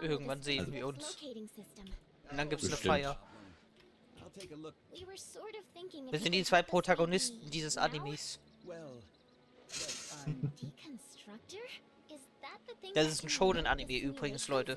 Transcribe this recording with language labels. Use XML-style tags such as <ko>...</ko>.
<de>Irgendwann sehen wir uns. Und dann gibt's eine Feier.</de> <en>We were sort of thinking.</en> <de>Wir sind die zwei Protagonisten dieses Animes.</de> <en>Deconstructor? Is that the thing?</en> <de>Das ist ein Shonen Anime übrigens, Leute.</de>